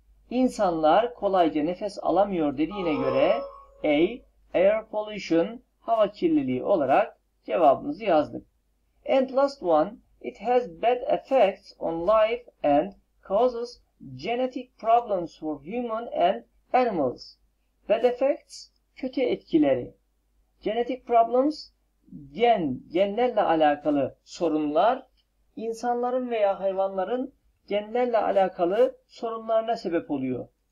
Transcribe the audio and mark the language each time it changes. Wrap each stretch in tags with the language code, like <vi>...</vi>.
<tr>İnsanlar kolayca nefes alamıyor dediğine göre A, air pollution, hava kirliliği olarak cevabımızı yazdık.</tr> <en>And last one, it has bad effects on life and causes genetic problems for human and animals. Bad effects,</en> <tr>kötü etkileri. Genetic problems, genlerle alakalı sorunlar, insanların veya hayvanların genlerle alakalı sorunlarına sebep oluyor.</tr>